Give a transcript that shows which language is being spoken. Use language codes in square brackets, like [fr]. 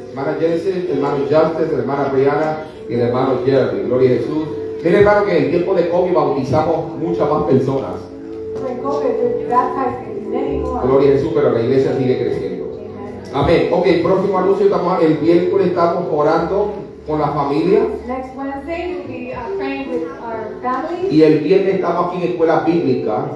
[es] hermana Jensen, el hermano Justice, la hermana Brianna y el hermano Jeremy. Gloria a Jesús. Miren, hermano, que en tiempo de COVID bautizamos muchas más personas. Gloria a Jesús, pero la iglesia sigue creciendo. Amén. Ok, próximo anuncio, estamos el miércoles, estamos orando con la familia. [en] Next Wednesday we'll be praying with our family. [es] Y el viernes estamos aquí en escuela bíblica.